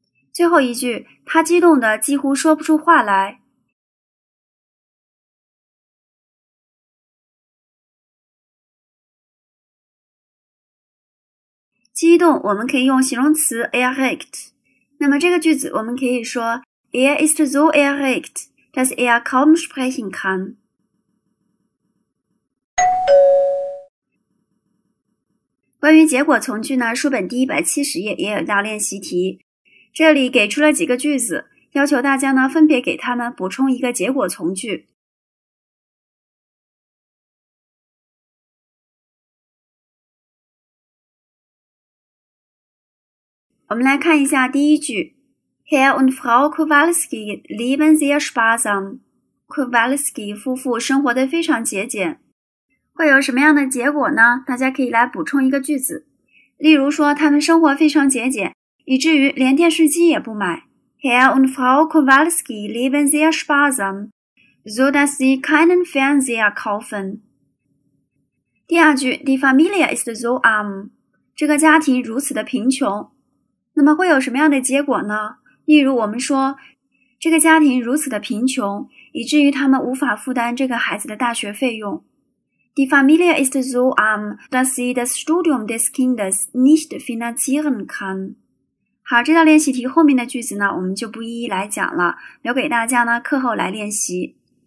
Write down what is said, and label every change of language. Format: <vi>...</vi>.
<zh>最后一句，他激动的几乎说不出话来。激动，我们可以用形容词 erregt。那么这个句子，我们可以说。</zh> <de>Er ist so erregt, dass er kaum sprechen kann.</de> <zh>关于结果从句呢，书本第170页也有一道练习题。这里给出了几个句子，要求大家呢分别给他们补充一个结果从句。我们来看一下第一句。</zh> <de>Herr und Frau Kowalski leben sehr sparsam.</de> <zh>Kowalski 夫妇生活得非常节俭。会有什么样的结果呢？大家可以来补充一个句子。例如说，他们生活非常节俭，以至于连电视机也不买。</zh> <de>Herr und Frau Kowalski leben sehr sparsam, so dass sie keinen Fernseher kaufen.</de> <zh>第二句</zh> <de>,Die Familie ist so arm.</de> <zh>这个家庭如此的贫穷。那么会有什么样的结果呢？例如我们说这个家庭如此的贫穷，以至于他们无法负担这个孩子的大学费用。</zh> <de>Die Familie ist so arm, dass sie das Studium des Kindes nicht finanzieren kann.</de> <zh>好，这道练习题后面的句子呢，我们就不一一来讲了，留给大家呢课后来练习。</zh>